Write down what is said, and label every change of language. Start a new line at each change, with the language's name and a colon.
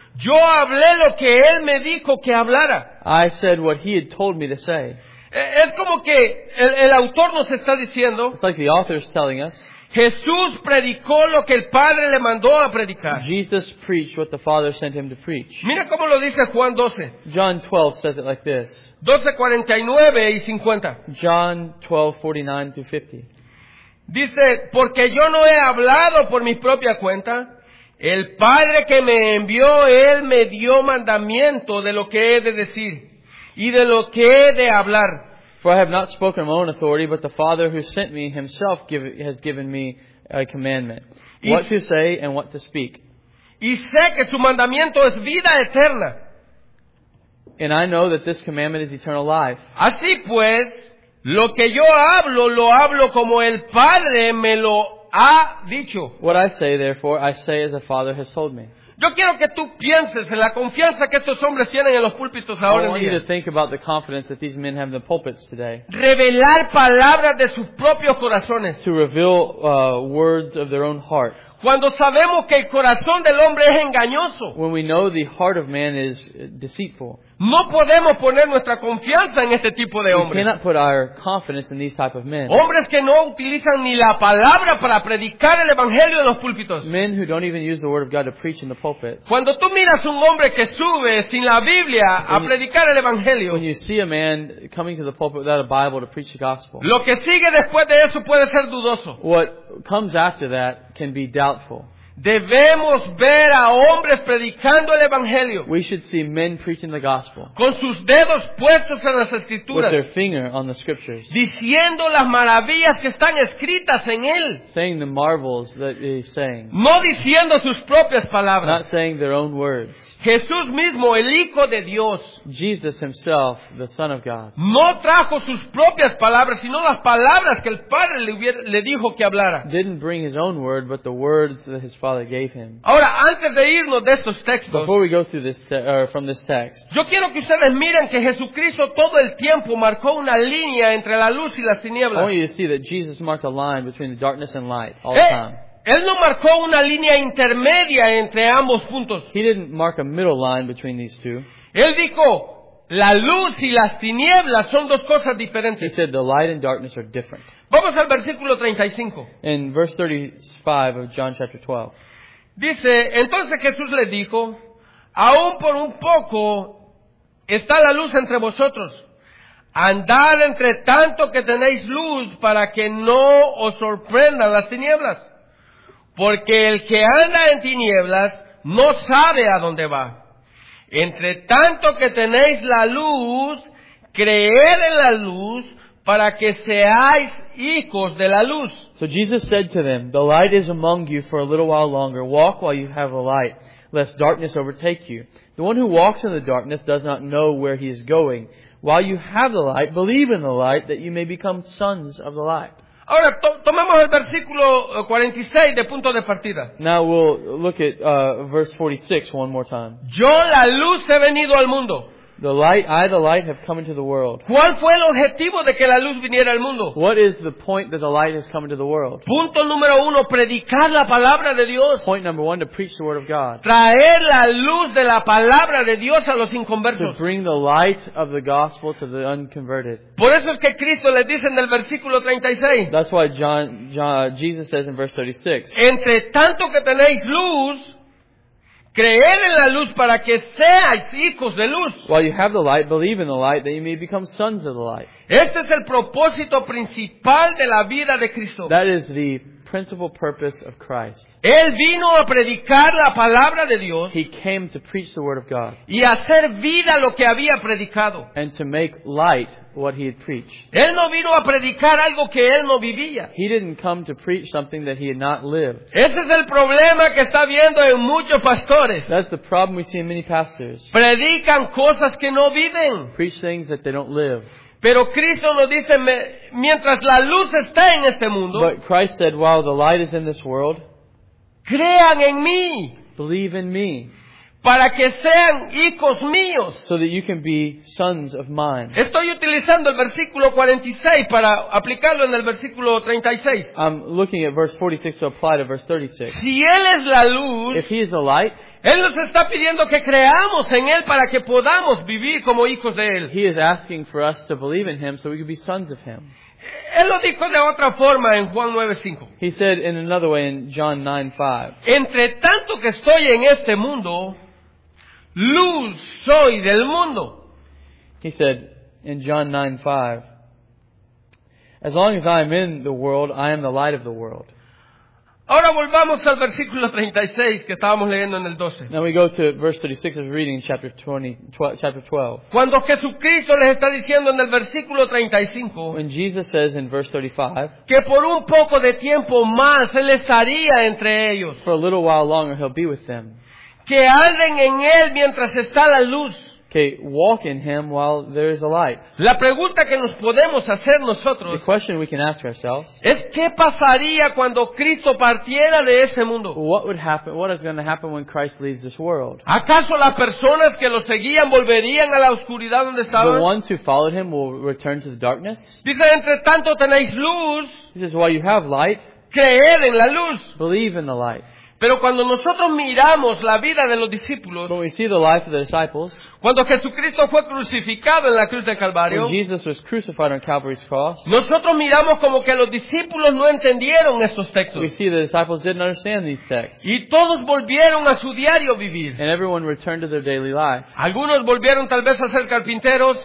Spanish: Yo hablé lo que él me dijo que hablara.
English: I said what he had told me to say.
Spanish: Es como que el autor nos está diciendo,
English: it's like the author is telling us,
Spanish: Jesús predicó lo que el Padre le mandó a predicar.
English: Jesus preached what the Father sent him to preach.
Spanish: Mira cómo lo dice Juan 12.
English: John 12 says it like this.
Spanish: 12:49-50.
English: John 12:49-50.
Spanish: Dice, porque yo no he hablado por mi propia cuenta. El Padre que me envió, él me dio mandamiento de lo que he de decir. y de lo que de hablar.
English: For I have not spoken of my own authority, but the Father who sent me himself has given me a commandment. What to say and what to speak.
Spanish: Y sé que su mandamiento es vida eterna.
English: And I know that this commandment is eternal life.
Spanish: Así pues, lo que yo hablo, lo hablo como el Padre me lo ha dicho.
English: What I say, therefore, I say as the Father has told me.
Spanish: Yo quiero que tú pienses en la confianza que estos hombres tienen en los púlpitos ahora en día.
English: I want you to think about the confidence that these men have in the pulpits today.
Spanish: Revelar palabras de sus propios corazones.
English: To reveal words of their own hearts.
Spanish: Cuando sabemos que el corazón del hombre es engañoso.
English: When we know the heart of man is deceitful.
Spanish: No podemos poner nuestra confianza en este tipo de hombres.
English: We cannot put our confidence in these type of men.
Spanish: Hombres que no utilizan ni la palabra para predicar el evangelio en los púlpitos.
English: Men who don't even use the word of God to preach in the pulpit.
Spanish: Cuando tú miras un hombre que sube sin la Biblia a predicar el evangelio.
English: When you see a man coming to the pulpit without a Bible to preach the gospel.
Spanish: Lo que sigue después de eso puede ser dudoso.
English: What comes after that can be doubtful.
Spanish: Debemos ver a hombres predicando el evangelio.
English: We should see men preaching the gospel.
Spanish: Con sus dedos puestos en las escrituras.
English: With their finger on the scriptures.
Spanish: Diciendo las maravillas que están escritas en él.
English: Saying the marvels that he's saying.
Spanish: No diciendo sus propias palabras.
English: Not saying their own words.
Spanish: Jesús mismo, el Hijo de Dios.
English: Jesus himself, the Son of God.
Spanish: No trajo sus propias palabras, sino las palabras que el Padre le dijo que hablara.
English: Didn't bring his own word, but the words that his Father gave him.
Spanish: Ahora, antes de irnos de estos textos,
English: before we go through this from this text,
Spanish: yo quiero que ustedes miren que Jesucristo todo el tiempo marcó una línea entre la luz y las tinieblas.
English: I want you to see that Jesus marked a line between the darkness and light all the time.
Spanish: Él no marcó una línea intermedia entre ambos puntos.
English: He didn't mark a middle line between these two.
Spanish: Él dijo, la luz y las tinieblas son dos cosas diferentes.
English: He said the light and darkness are different.
Spanish: Vamos al versículo 35.
English: In verse 35 of John chapter 12.
Spanish: Dice, entonces Jesús le dijo, aún por un poco está la luz entre vosotros. Andad entre tanto que tenéis luz para que no os sorprendan las tinieblas. Porque el que anda en tinieblas no sabe a dónde va. Entre tanto que tenéis la luz, creed en la luz para que seáis hijos de la luz.
English: So Jesus said to them, the light is among you for a little while longer. Walk while you have the light, lest darkness overtake you. The one who walks in the darkness does not know where he is going. While you have the light, believe in the light that you may become sons of the light.
Spanish: Ahora, tomemos el versículo 46 de punto de partida.
English: Now we'll look at verse 46 one more time.
Spanish: Yo, la luz, he venido al mundo.
English: The light, I, the light, have come into the world.
Spanish: ¿Cuál fue el objetivo de que la luz viniera al mundo?
English: What is the point that the light has come into the world?
Spanish: Punto número uno, predicar la palabra de Dios.
English: Point number one, to preach the word of God.
Spanish: Traer la luz de la palabra de Dios a los inconversos.
English: To bring the light of the gospel to the unconverted.
Spanish: Por eso es que Cristo le dice en el versículo 36.
English: That's why Jesus says in verse 36.
Spanish: Entre tanto que tenéis luz, creer en la luz para que seáis hijos de luz.
English: While you have the light, believe in the light that you may become sons of the light.
Spanish: Este es el propósito principal de la vida de Cristo.
English: That is the principal purpose of Christ.
Spanish: Él vino a predicar la palabra de Dios.
English: He came to preach the word of God.
Spanish: Y hacer vida lo que había predicado.
English: And to make light what he had preached.
Spanish: Él no vino a predicar algo que él no vivía.
English: He didn't come to preach something that he had not lived.
Spanish: Ese es el problema que está viendo en muchos pastores.
English: That's the problem we see in many pastors.
Spanish: Predican cosas que no viven.
English: Preach things that they don't live.
Spanish: Pero Cristo nos dice, mientras la luz está en este mundo,
English: but Christ said, while the light is in this world,
Spanish: crean en mí,
English: believe in me,
Spanish: para que sean hijos míos,
English: so that you can be sons of mine.
Spanish: Estoy utilizando el versículo 46 para aplicarlo en el versículo 36.
English: I'm looking at verse 46 to apply to verse 36.
Spanish: Si Él es la luz,
English: if He is the light,
Spanish: Él nos está pidiendo que creamos en Él para que podamos vivir como hijos de Él.
English: He is asking for us to believe in Him so we can be sons of Him.
Spanish: Él lo dijo de otra forma en Juan 9:5.
English: He said in another way in John 9:5.
Spanish: Entre tanto que estoy en este mundo, luz soy del mundo.
English: He said in John 9:5. As long as I am in the world, I am the light of the world.
Spanish: Ahora volvamos al versículo 36 que estábamos leyendo en el 12.
English: Now we go to verse 36 of reading chapter 20, chapter 12.
Spanish: Cuando Jesucristo les está diciendo en el versículo 35,
English: when Jesus says in verse 35,
Spanish: que por un poco de tiempo más él estaría entre ellos.
English: For a little while longer he'll be with them.
Spanish: Que anden en él mientras está la luz.
English: Okay, walk in him while there is a light.
Spanish: La pregunta que nos podemos hacer nosotros,
English: the question we can ask ourselves,
Spanish: es qué pasaría cuando Cristo partiera de ese mundo.
English: What would happen? What is going to happen when Christ leaves this world?
Spanish: ¿Acaso las personas que lo seguían volverían a la oscuridad donde estaban?
English: The ones who followed him will return to the darkness.
Spanish: Dice, entre tanto tenéis luz.
English: He says, while you have light,
Spanish: creed en la luz.
English: Believe in the light.
Spanish: Pero cuando nosotros miramos la vida de los discípulos,
English: when we see the life of the disciples,
Spanish: cuando Jesucristo fue crucificado en la cruz del Calvario,
English: when Jesus was crucified on Calvary's cross,
Spanish: nosotros miramos como que los discípulos no entendieron estos textos.
English: We see the disciples didn't understand these texts.
Spanish: Y todos volvieron a su diario vivir.
English: And everyone returned to their daily life.
Spanish: Algunos volvieron tal vez a ser carpinteros.